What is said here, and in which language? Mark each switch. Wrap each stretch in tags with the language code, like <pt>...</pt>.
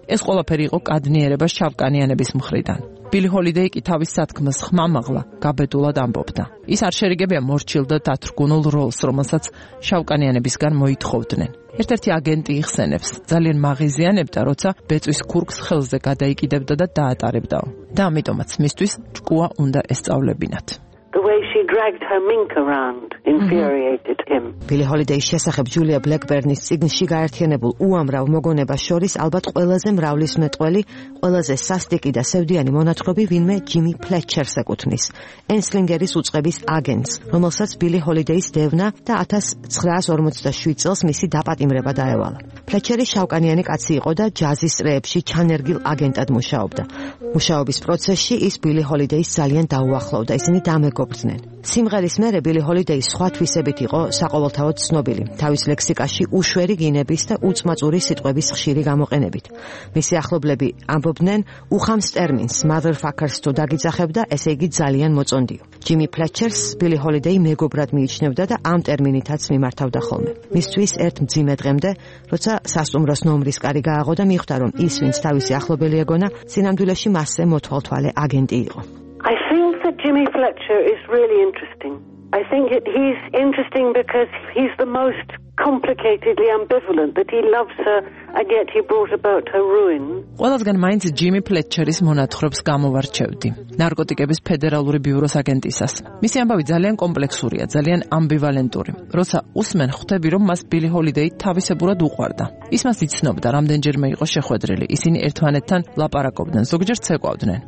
<ka>ეს ყველაფერი იყო კადნიერება შავკანიანების მხრიდან. ბილი ჰოლიდეი კი თავის სათქმელს ხმამაღლა გაბედულად ამბობდა. ის არ შერიგებია მორჩილდა დათრგუნულ როლს, რომელსაც შავკანიანებისგან მოითხოვდნენ. ერთ-ერთი აგენტი იხსენებს, ძალიან მაღიზიანებდა, როცა ბეწვის ქურკს ხელზე გადაიკიდებდა და დაატარებდაო. და ამიტომაც მისთვის ჭკუა უნდა ესწავლებინათ.</ka> <en>The way she dragged her mink around infuriated him.</en> <ka>Billie Holiday's შესახებ ჯულია ბლეკბერნის წიგნში გაერთიანებულ უამრავ მოგონებას შორის ალბათ ყველაზე მრავლის მეტყველი, ყველაზე სასტიკი და სევდიანი მონათხრობი ვინმე ჯიმი ფლეტჩერს ეკუთვნის. ენსლინგერის უწყების აგენტს, რომელსაც Billie Holiday's დევნა და 1947 წელს მისი დაპატიმრება დაევალა. ფლეტჩერი შავკანიანი კაცი იყო და ჯაზის წრეებში ჩანერგილ აგენტად მუშაობდა. მუშაობის პროცესში ის Billie Holiday's ძალიან დაუახლოვდა, ისინი მეკობრდნენ. სიმღერის მერე ბილი ჰოლიდეი სხვა თვისებით იყო საყოველთაოდ ცნობილი, თავის ლექსიკაში უშვერი გინების და უწმაწური სიტყვების ხშირი გამოყენებით. მისი ახლობლები ამბობდნენ: უხამს ტერმინს motherfuckers თუ დაგიძახებ და ესე იგი ძალიან მოწონდიო. ჯიმი ფლეტჩერს ბილი ჰოლიდეი მეგობრად მიიჩნევდა და ამ ტერმინითაც მიმართავდა ხოლმე. მისთვის ერთ მძიმე დღემდე, როცა სასტუმროს ნომრის კარი გააღო და მიხვდა, რომ ის, ვინც თავისი ახლობელი ეგონა, სინამდვილეში მასზე მოთვალთვალე აგენტი იყო.</ka> <en>I think that Jimmy Fletcher is really interesting. I think that he's interesting because he's the most complicatedly ambivalent, that he loves her and yet he brought about her ruin.</en> <ka>ყველასგან მაინც ჯიმი ფლეტჩერის მონათხრობს გამოვარჩევდი. ნარკოტიკების ფედერალური ბიუროს აგენტისას. მისი ამბავი ძალიან კომპლექსურია, ძალიან ამბივალენტური. როცა უსმენ, ხვდები, რომ მას ბილი ჰოლიდეი თავისებურად უყვარდა. ის მას იცნობდა, რამდენჯერმე იყო შეხვედრილი. ისინი ერთმანეთთან ლაპარაკობდნენ, ზოგჯერ ცეკვავდნენ.</ka>